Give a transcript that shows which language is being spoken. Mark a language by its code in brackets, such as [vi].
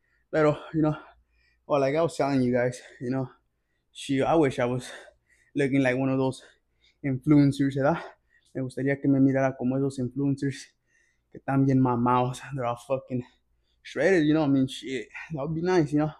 [en] Pero, you know, well, like I was telling you guys, you know, shoot, I wish I was looking like one of those influencers, ¿verdad? [es] Me gustaría que me mirara como esos influencers que están bien mamados. [en] They're all fucking shredded, you know? I mean, shit, that would be nice, you know?